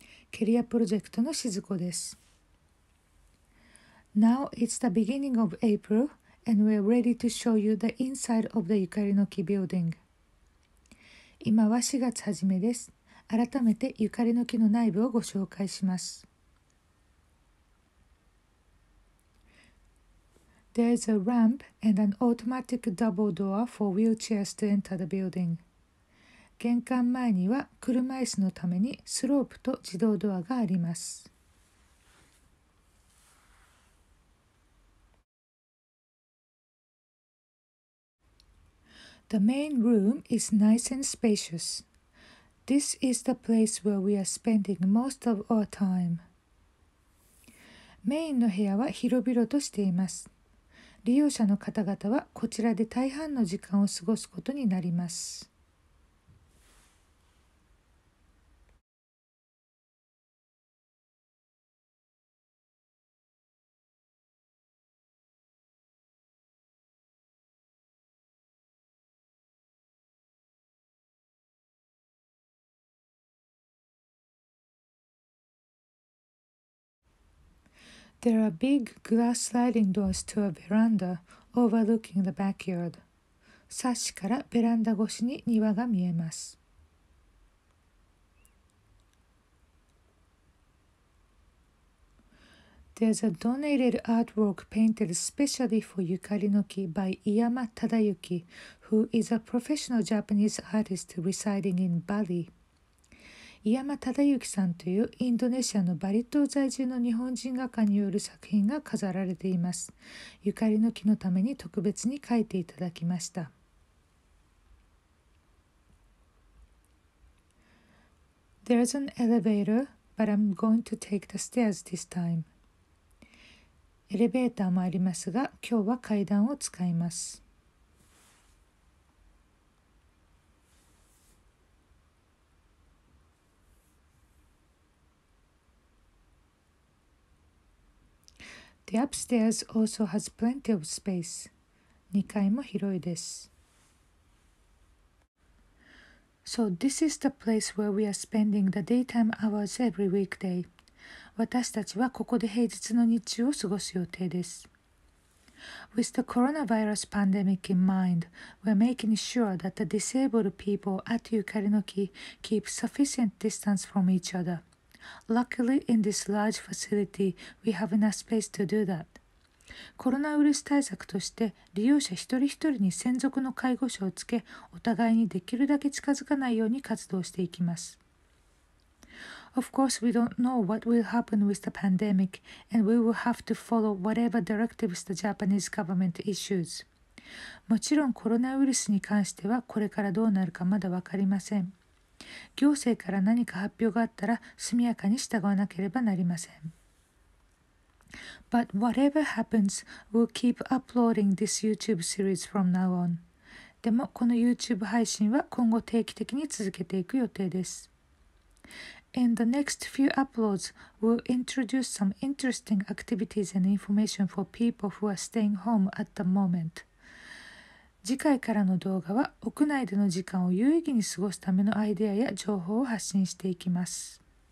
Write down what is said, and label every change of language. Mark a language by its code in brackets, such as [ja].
[ja] ケリアプロジェクトのしずこです。 [en] Now it's the beginning of April and we're ready to show you the inside of the Yukari の木 building. [ja] 今は4月初めです。改めてゆかりの木の内部をご紹介します。 [en] There's a ramp and an automatic double door for wheelchairs to enter the building. [ja] 玄関前には車椅子のためにスロープと自動ドアがあります。 [en] The main room is nice and spacious. This is the place where we are spending most of our time. [ja] メインの部屋は広々としています。利用者の方々はこちらで大半の時間を過ごすことになります。 [en] There are big glass sliding doors to a veranda overlooking the backyard. [ja] サッシからベランダ越しに庭が見えます。 [en] There's a donated artwork painted specially for Yukari no Ki by Iyama Tadayuki, who is a professional Japanese artist residing in Bali. [ja] 井山忠之さんというインドネシアのバリ島在住の日本人画家による作品が飾られています。ゆかりの木のために特別に描いていただきました。 [en] There's an elevator, but I'm going to take the stairs this time. [ja] エレベーターもありますが、今日は階段を使います。 [en] The upstairs also has plenty of space. [ja] 2階も広いです。 [en] So this is the place where we are spending the daytime hours every weekday. [ja] 私たちはここで平日の日中を過ごす予定です。 [en] With the coronavirus pandemic in mind, we're making sure that the disabled people at Yukari no Ki keep sufficient distance from each other. Luckily, in this large facility, we have enough space to do that. [ja] コロナウイルス対策として、利用者一人一人に専属の介護者をつけ、お互いにできるだけ近づかないように活動していきます。 [en] Of course, we don't know what will happen with the pandemic, and we will have to follow whatever directives the Japanese government issues. [ja] もちろんコロナウイルスに関しては、これからどうなるかまだわかりません。行政から何か発表があったら速やかに従わなければなりません。 [en] But whatever happens, we'll keep uploading this YouTube series from now on. [ja] でもこの YouTube 配信は今後定期的に続けていく予定です。 [en] In the next few uploads, we'll introduce some interesting activities and information for people who are staying home at the moment. [ja] 次回からの動画は、屋内での時間を有意義に過ごすためのアイデアや情報を発信していきます。